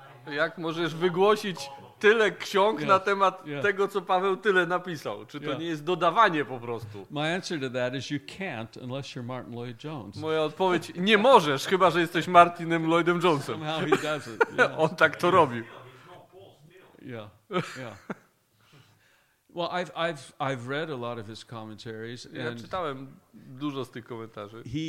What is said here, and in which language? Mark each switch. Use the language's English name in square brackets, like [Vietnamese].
[Polish] Jak możesz wygłosić tyle ksiąg na temat tego, co Paweł tyle napisał? Czy to nie jest dodawanie po prostu? [English] My answer to that is you can't unless you're Martin Lloyd-Jones. [Polish] Moja odpowiedź, nie możesz, chyba że jesteś Martinem Lloydem-Jonesem. [English] Somehow he does it. Yeah. [Polish] On tak to robił. [English] Yeah. Well, I've read a lot of his commentaries. [Polish] Ja czytałem dużo z tych komentarzy.